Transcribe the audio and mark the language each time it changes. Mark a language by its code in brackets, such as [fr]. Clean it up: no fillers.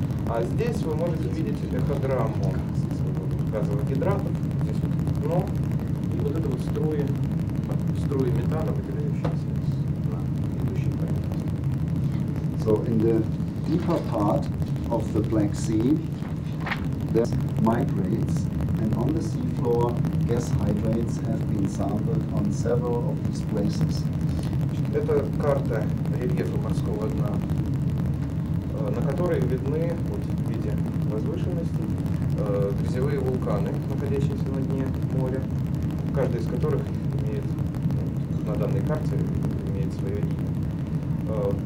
[ru] А здесь вы можете видеть эхограмму газовых гидратов, здесь вот дно, и вот это вот струи метана, выделяющиеся на идущей поверхности. [en] So in the deeper part of the Black Sea that migrates, and on the seafloor gas hydrates have been sampled on several of these places. [ru] Это карта рельефа морского дна, на которой видны вот, в виде возвышенности грязевые вулканы, находящиеся на дне моря, каждый из которых имеет вот, на данной карте имеет свое имя.